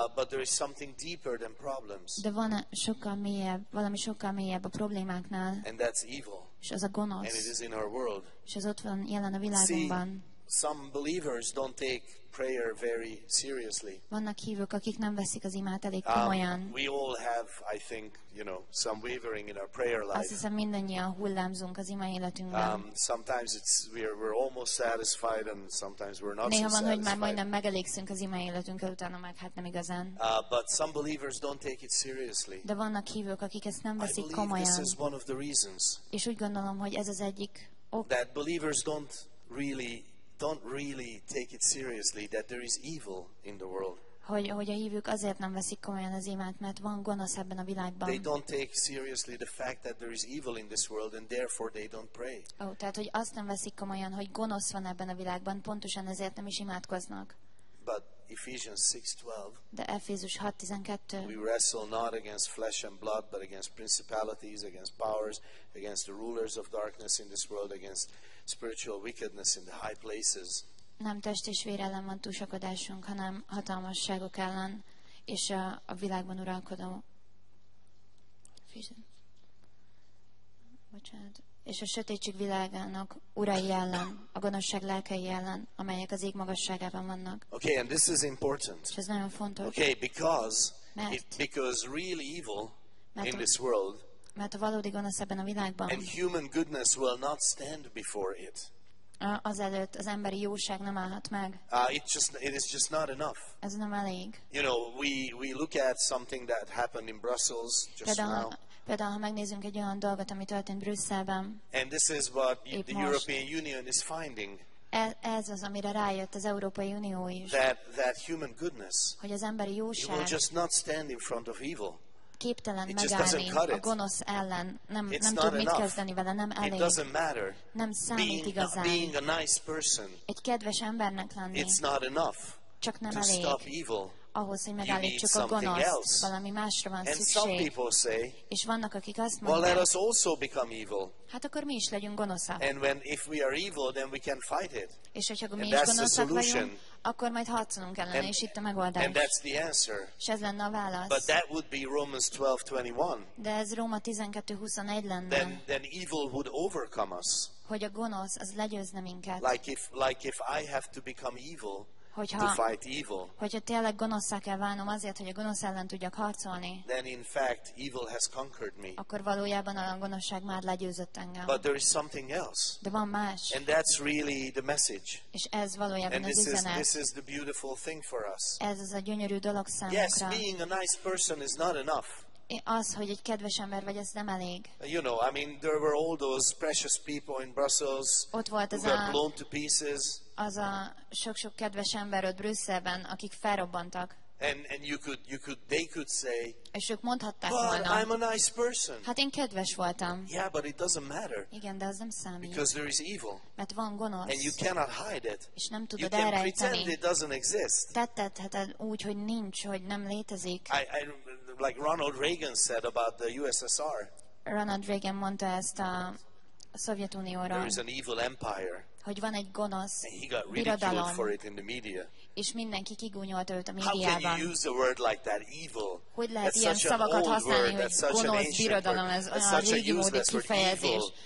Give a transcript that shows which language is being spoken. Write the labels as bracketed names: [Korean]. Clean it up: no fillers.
[English] But there is something deeper than problems. [Hungarian] De van sokkal mélyebb, valami sokkal mélyebb a problémáknál. [English] And that's evil. [Hungarian] És az a gonosz. [English] And it is in our world. [Hungarian] És az ott van jelen a világunkban. [English] Some believers don't take prayer very seriously. [Hungarian] Vannak hívők, akik nem veszik az imát elég komolyan. [English] We all have, I think, you know, some wavering in our prayer life. [Hungarian] Azt hiszem, mindannyian hullámzunk az ima életünkben. [English] Sometimes it's we're almost satisfied and sometimes we're not [Hungarian] néha Néha van, hogy már majdnem megelégszünk az ima életünkkel, utána meg hát nem igazán. [English] But some believers don't take it seriously. [Hungarian] De vannak hívők, akik ezt nem veszik [English] I believe [Hungarian] komolyan. [English] This is one of the reasons. [Hungarian] És úgy gondolom, hogy ez az egyik ok. [English] That believers don't really take it seriously that there is evil in the world. [Hungarian] Hogy a hívők azért nem veszik komolyan az imát, mert van gonosz ebben a világban. [English] They don't take seriously the fact that there is evil in this world and therefore they don't pray. [Hungarian] Oh, tehát hogy azt nem veszik komolyan, hogy gonosz van ebben a világban, pontosan ezért nem is imádkoznak. [English] But Ephesians 6:12. [Hungarian] De Efézus 6:12. [English] We wrestle not against flesh and blood, but against principalities, against powers, against the rulers of darkness in this world, against spiritual wickedness in the high places. [Hungarian] Nem test és vér ellen van túlsakodásunk, hanem hatalmasságok ellen és a világban uralkodó. Bocsánat. És a sötétség világának urai ellen, a gonoszság lelkei ellen, amelyek az ég magasságában vannak. [English] Okay, and this is important. [Hungarian] És ez nagyon fontos. [English] Okay, because [Hungarian] mert, [English] it, because real evil in this world. [Hungarian] Mert a valódi gonosz ebben a világban. [English] And human goodness will not stand before it. [Hungarian] Azelőtt az emberi jóság nem állhat meg. [English] It is just not enough. [Hungarian] Ez nem elég. [English] You know, we look at something that happened in Brussels just [Hungarian] például, [English] now. [Hungarian] Például, ha megnézzünk egy olyan dolgot, ami történt Brüsszelben. [English] And this is what the European Union is finding. [Hungarian] Ez az, amire rájött az Európai Unió is. [English] That human goodness. [Hungarian] Hogy az emberi jóság. [English] It will just not stand in front of evil. [Hungarian] Képtelen megállni a gonosz ellen. Nem tud mit kezdeni vele, nem elég. [English] It doesn't matter. [Hungarian] Nem számít igazán. [English] Being a nice person. [Hungarian] Egy kedves embernek lenni. [English] It's not enough. [Hungarian] Csak nem elég. [English] To stop evil. [Hungarian] Ahhoz, hogy megállítsuk a gonoszt, valami másra van szükség. [English] And some people say, [Hungarian] és vannak, akik azt mondják, [English] well, let us also become evil. [Hungarian] Hát akkor mi is legyünk gonoszak. [English] And when, if we are evil, then we can fight it. [Hungarian] És hogyha mi is gonoszak vagyunk, akkor majd harcolunk ellene, és itt a megoldás. [English] And that's the answer. [Hungarian] És ez lenne a válasz. [English] But that would be Romans 12:21. [Hungarian] De ez Róma 12:21 lenne. [English] Then evil would overcome us. [Hungarian] Hogy a gonosz, az legyőzne minket. [English] Like if I have to become evil, [Hungarian] hogyha, [English] to fight evil. [Hungarian] Hogyha tényleg gonoszszá kell válnom azért, hogy a gonosz ellen tudjak harcolni. [English] Then in fact evil has conquered me. [Hungarian] Akkor valójában a gonoszság már legyőzött engem. [English] But there is something else. [Hungarian] De van más. [English] And that's really the message. [Hungarian] És ez valójában [English] and [Hungarian] az üzenet. [English] This is the beautiful thing for us. [Hungarian] Ez az a gyönyörű dolog számunkra. [English] Yes, being a nice person is not enough. [Hungarian] Az, hogy egy kedves ember vagy, ez nem elég. [English] You know, I mean, there were all those precious people in Brussels who were blown to pieces. [Hungarian] Az a sok-sok kedves ember ott Brüsszelben, akik felrobbantak. [English] And you could they could say. [Hungarian] És ők mondhatták volna. [English] I'm a nice person. [Hungarian] Hát én kedves voltam. [English] Yeah, but it doesn't matter. [Hungarian] Igen, de az nem számít. [English] Because there is evil. [Hungarian] Mert van gonosz. [English] And you cannot hide it. [Hungarian] És nem tudod elrejteni. [English] You can pretend it doesn't exist. [Hungarian] Tetted úgy, hogy nincs, hogy nem létezik. [English] I like Ronald Reagan said about the USSR. [Hungarian] Ronald Reagan mondta ezt a Szovjetunióra. [English] There is an evil empire. [Hungarian] Hogy van egy gonosz birodalom, [English] for it in the media. [Hungarian] És mindenki kigúnyolta őt a médiában. [English] Like that, evil? [Hungarian] Hogy lehet ilyen szavakat használni, hogy gonosz birodalom, ez olyan régi módi kifejezés.